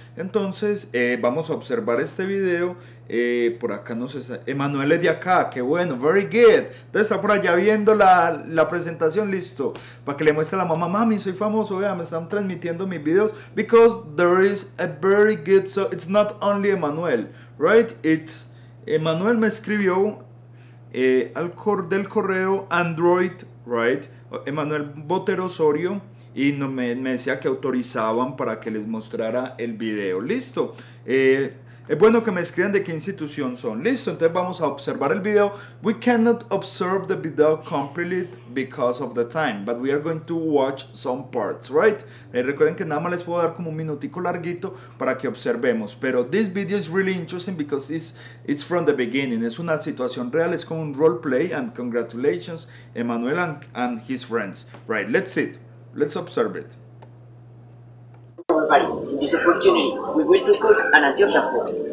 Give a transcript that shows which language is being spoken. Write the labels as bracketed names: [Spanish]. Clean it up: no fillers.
[Spanish] Entonces, vamos a observar este video. Por acá no sé, Emanuel es de acá, qué bueno, [English] very good. [Spanish] Entonces está por allá viendo la presentación, listo, para que le muestre a la mamá: mami, soy famoso, vea, me están transmitiendo mis videos. [English] Because there is a very good, so it's not only Emanuel, right? [Spanish] It's Emanuel me escribió del correo Android, right? Emanuel Botero Osorio. Y no me decía que autorizaban para que les mostrara el video. Listo. Es bueno que me escriban de qué institución son. Listo. Entonces vamos a observar el video. [English] We cannot observe the video completely because of the time. But we are going to watch some parts, right? [Spanish] Recuerden que nada más les puedo dar como un minutico larguito para que observemos. Pero [English] this video is really interesting because it's from the beginning. [Spanish] Es una situación real. Es como un role play. [English] And congratulations, Emmanuel and his friends. Right, let's see it. Let's observe it. Paris, in this opportunity, we will to cook an Antioquia food.